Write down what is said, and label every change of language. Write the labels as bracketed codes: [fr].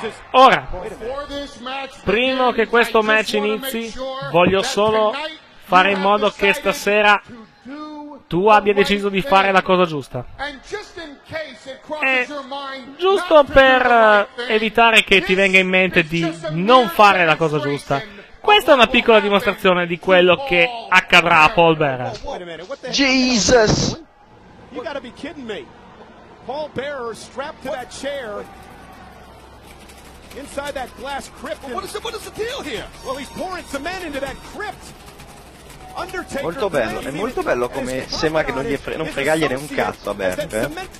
[it] Ora, prima che questo match inizi, voglio solo fare in modo che stasera tu abbia deciso di fare la cosa giusta. E giusto per evitare che ti venga in mente di non fare la cosa giusta, questa è una piccola dimostrazione di quello che accadrà a Paul Bearer. [en] Jesus! Paul Bearer strapped to that chair inside that glass crypt. What is the deal here? Well, he's pouring cement into that crypt. [it] Molto bello, è molto bello come sembra che non gli frega gliene un cazzo a Berg.